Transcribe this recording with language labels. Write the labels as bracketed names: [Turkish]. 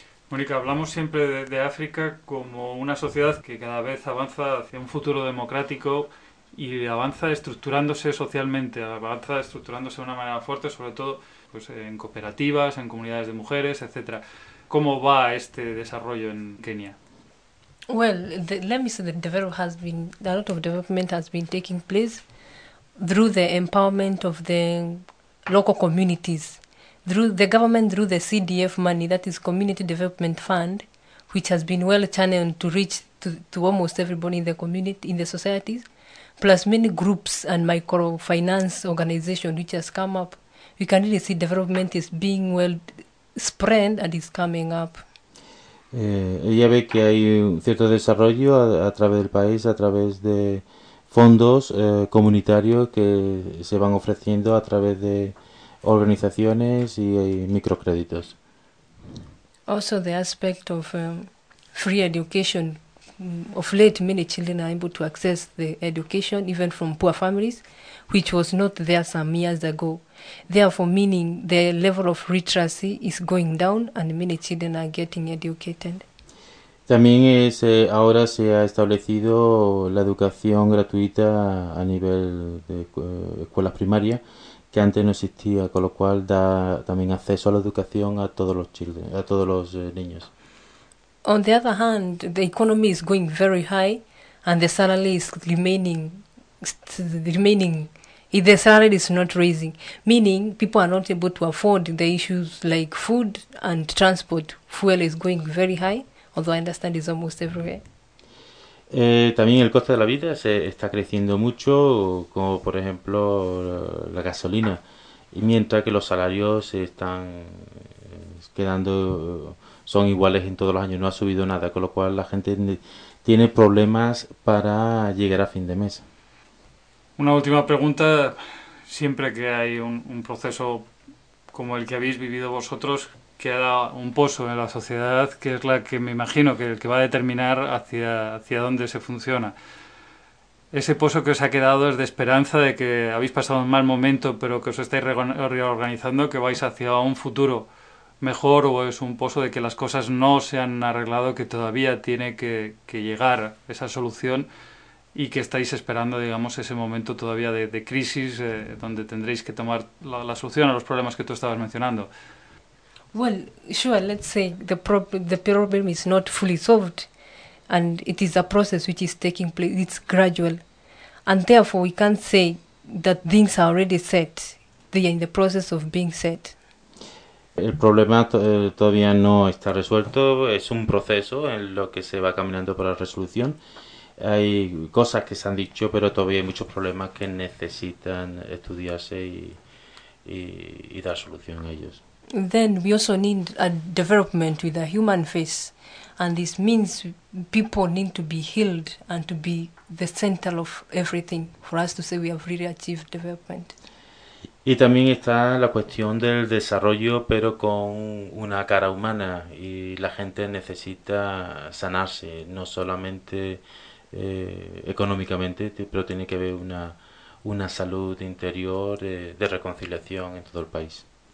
[Spanish] Mónica, hablamos siempre de África como una sociedad que cada vez avanza hacia un futuro democrático y avanza estructurándose socialmente, avanza estructurándose de una manera fuerte, sobre todo pues, en cooperativas, en comunidades de mujeres, etc. ¿Cómo va este desarrollo en Kenia? [English] Well, let me say that a lot of development has been taking place through the empowerment of the local communities, through the government, through the CDF money, that is Community Development Fund, which has been well channeled to reach to almost everybody in the community, in the societies, plus many groups and microfinance organizations which has come up. We can really see development is being well spread and is coming up. [Spanish] Ella ve que hay un cierto desarrollo a través del país, a través de fondos comunitarios que se van ofreciendo a través de organizaciones y microcréditos. [English] Also the aspect of free education. Of late, many children are able to access the education even from poor families, which was not there some years ago. Therefore, meaning the level of literacy is going down and many children are getting educated. [Spanish] También es, ahora se ha establecido la educación gratuita a nivel de escuelas primarias, que antes no existía, con lo cual da también acceso a la educación a todos los [English] children, [Spanish] a todos los niños. [English] On the other hand, the economy is going very high and the salary is remaining. If the salary is not raising, meaning people are not able to afford the issues like food and transport. Fuel is going very high, although I understand it's almost everywhere. [Spanish] También el coste de la vida se está creciendo mucho, como por ejemplo la gasolina, y mientras que los salarios se están quedando, son iguales en todos los años, no ha subido nada, con lo cual la gente tiene problemas para llegar a fin de mes. Una última pregunta. Siempre que hay un proceso como el que habéis vivido vosotros, queda un pozo en la sociedad, que es la que me imagino que el que va a determinar hacia dónde se funciona. Ese pozo que os ha quedado es de esperanza de que habéis pasado un mal momento, pero que os estáis reorganizando, que vais hacia un futuro mejor, o es un pozo de que las cosas no se han arreglado, que todavía tiene que llegar esa solución. Y que estáis esperando, digamos, ese momento todavía de crisis, donde tendréis que tomar la solución a los problemas que tú estabas mencionando. [English] Well, sure, let's say the problem is not fully solved, and it is a process which is taking place, it's gradual. And therefore, we can't say that things are already set, they are in the process of being set. [Spanish] El problema todavía no está resuelto, es un proceso en lo que se va caminando para la resolución. Hay cosas que se han dicho, pero todavía hay muchos problemas que necesitan estudiarse y dar solución a ellos. [English] Then we also need a development with a human face, and this means people need to be healed and to be the center of everything for us to say we have really achieved development. [Spanish] Y también está la cuestión del desarrollo, pero con una cara humana, y la gente necesita sanarse, no solamente económicamente, pero tiene que haber una salud interior de reconciliación en todo el país.